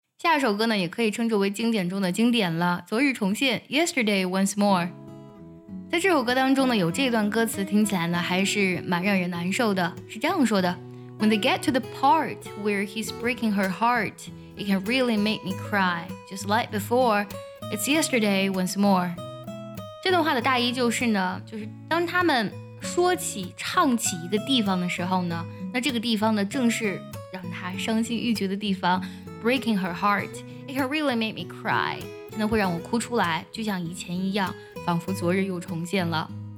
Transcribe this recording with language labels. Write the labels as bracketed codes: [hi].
[zh] 下首歌呢，也可以称之为经典中的经典了，昨日重现 Yesterday Once More。在这首歌当中呢，有这段歌词听起来呢还是蛮让人难受的，是这样说的， [en] When they get to the part where he's breaking her heart, it can really make me cry, just like before, it's yesterday once more。 [zh] 这段话的大意就是呢，就是当他们说起唱起一个地方的时候呢，那这个地方呢正是让他伤心欲绝的地方， [en] Breaking her heart, it can really make me cry， [zh] 真的会让我哭出来，就像以前一样，仿佛昨日又重现了。